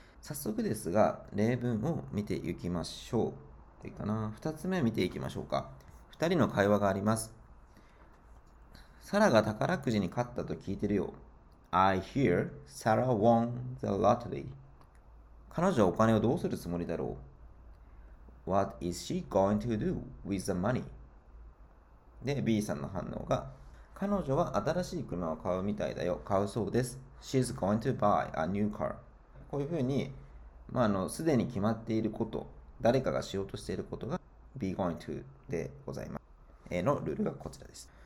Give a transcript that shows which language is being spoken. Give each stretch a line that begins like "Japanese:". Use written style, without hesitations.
Japanese: 早速ですが、例文を見ていきましょう。いいかな。 2つ目見ていきましょうか。2人の会話があります。サラが宝くじに勝ったと聞いてるよ。
English: I hear Sarah won the lottery.
Japanese: 彼女はお金をどうするつもりだろう。
English: What is she going to do with the money?
Japanese: で、B さんの反応が、彼女は新しい車を買うみたいだよ。買うそうです。
English: She's going to buy a new car.
Japanese: こういうふうに、すでに決まっていること、誰かがしようとしていることが be going to でございます。 A のルールがこちらです。